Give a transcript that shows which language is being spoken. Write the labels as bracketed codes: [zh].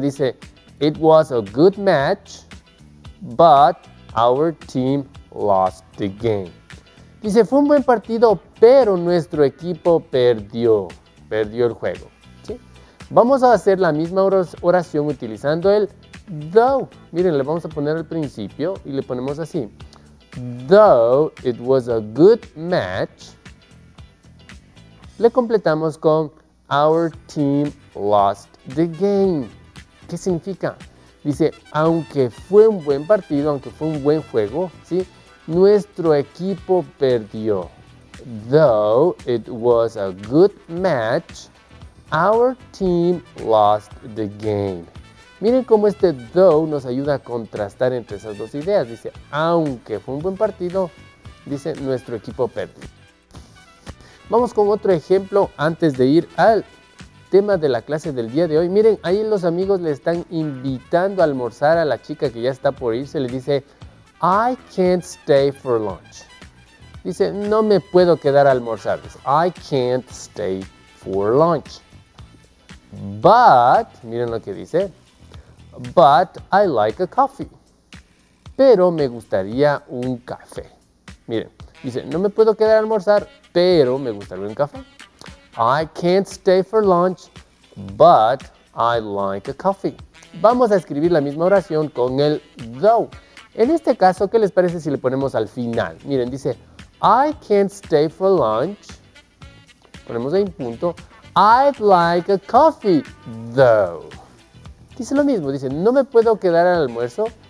[es] Dice, [en] it was a good match, but our team lost the game. [es] Dice, fue un buen partido, pero nuestro equipo perdió el juego, ¿sí? Vamos a hacer la misma oración utilizando el though. Miren, le vamos a poner al principio y le ponemos así. [en] Though it was a good match, [es] le completamos con [en] our team lost the game. [es] ¿Qué significa? Dice, aunque fue un buen partido, aunque fue un buen juego, ¿sí? Nuestro equipo perdió. [en] Though it was a good match, our team lost the game. [es] Miren cómo este though nos ayuda a contrastar entre esas dos ideas. Dice, aunque fue un buen partido, dice, nuestro equipo perdió. Vamos con otro ejemplo antes de ir al tema de la clase del día de hoy. Miren, ahí los amigos le están invitando a almorzar a la chica que ya está por irse. Le dice, [en] I can't stay for lunch. [es] Dice, no me puedo quedar a almorzar. Dice, [en] I can't stay for lunch. But, [es] miren lo que dice, [en] but I like a coffee. [es] Pero me gustaría un café. Miren, dice, no me puedo quedar a almorzar, pero me gustaría un café. [en] I can't stay for lunch, but I like a coffee. [es] Vamos a escribir la misma oración con el though. En este caso, ¿qué les parece si le ponemos al final? Miren, dice, [en] I can't stay for lunch. [es] Ponemos ahí un punto. [en] I'd like a coffee, though. [es] Dice lo mismo, dice, no me puedo quedar al almuerzo.